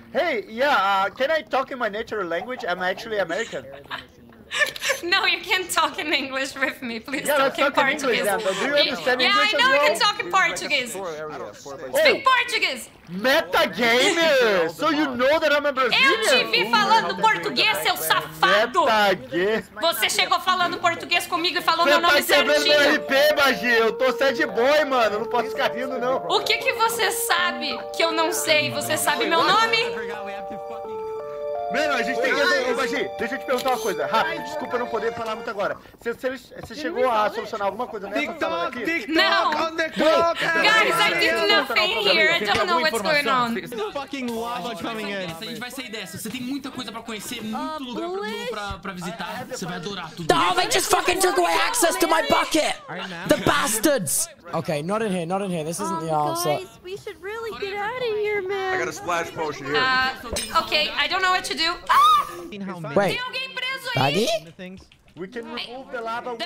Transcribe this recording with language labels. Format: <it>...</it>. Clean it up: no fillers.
<en>Hey, yeah, can I talk in my natural language? I'm actually American. No, you can talk in English with me. Please yeah, talk in Portuguese. English, yeah, do you understand English? Yeah, I know well? I can talk in Portuguese. Speak Portuguese! Metagamer! So you know that I'm a Brazilian?</en> <pt>Eu te vi falando português, seu safado!</pt> <en>Metagamer!</en> <pt>Você chegou falando português comigo e falou meu nome certinho! Você tá quebrando meu RP, Magi! Eu tô sad boy, mano! Eu não posso ficar rindo, não! O que que você sabe que eu não sei? Você sabe meu nome? Mano, a gente tem que... Baji, deixa eu te perguntar uma coisa, rápido. Desculpa não poder falar muito agora. Você chegou a solucionar alguma coisa nessa sala daqui?</pt> <en>TikTok, on the clock! Guys, I did nothing here. I don't know what's going on. Fucking lava coming in.</en> <pt>A gente vai sair dessa. Você tem muita coisa pra conhecer, muito lugar pra visitar. Você vai adorar tudo.</pt> <en>Oh, they just fucking took away access to my bucket! The bastards! Okay, not in here. This isn't the answer. Guys, we should really get out of here, man. I got a splash potion here. Okay, I don't know what to do. Wait. Baggy? We can remove the lava.</en>